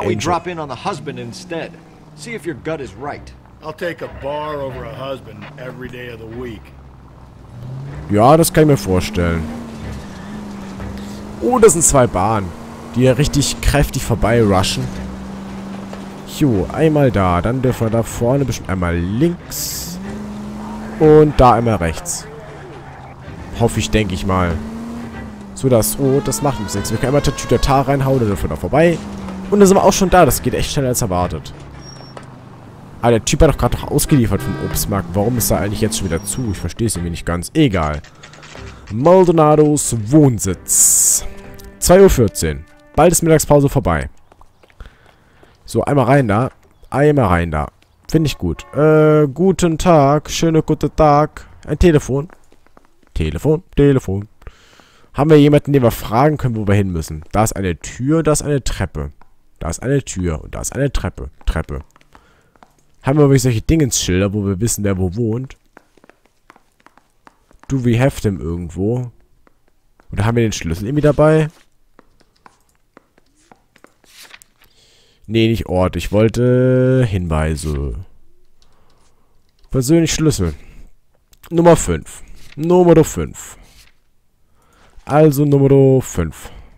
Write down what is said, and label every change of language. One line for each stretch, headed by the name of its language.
English: How about we drop in on the husband instead? See if your gut is right. I'll take a bar over a husband every day of the week.
German: Ja, das kann ich mir vorstellen. Oh, das sind zwei Bahnen, die ja richtig kräftig vorbei rushen. Jo, einmal da, dann dürfen wir da vorne bestimmt einmal links und da einmal rechts. Hoffe ich, denke ich mal. So, das Rot, das macht uns nichts. Wir können einmal Tatütata reinhauen, dann dürfen wir da vorbei. Und dann sind wir auch schon da, das geht echt schneller als erwartet. Aber der Typ hat doch gerade noch ausgeliefert vom Obstmarkt. Warum ist er eigentlich jetzt schon wieder zu? Ich verstehe es irgendwie nicht ganz. Egal. Maldonados Wohnsitz. 2.14 Uhr. Bald ist Mittagspause vorbei. So, einmal rein da. Einmal rein da. Finde ich gut. Guten Tag. Schöne gute Tag. Ein Telefon. Telefon. Telefon. Haben wir jemanden, den wir fragen können, wo wir hin müssen? Da ist eine Tür, da ist eine Treppe. Da ist eine Tür und da ist eine Treppe. Treppe. Haben wir wirklich solche Dingensschilder, wo wir wissen, wer wo wohnt?
English: Do we have them
German: irgendwo? Oder haben wir den Schlüssel irgendwie dabei? Nee, nicht Ort. Ich wollte Hinweise. Persönlich Schlüssel. Nummer 5. Nummer 5. Also Nummer 5.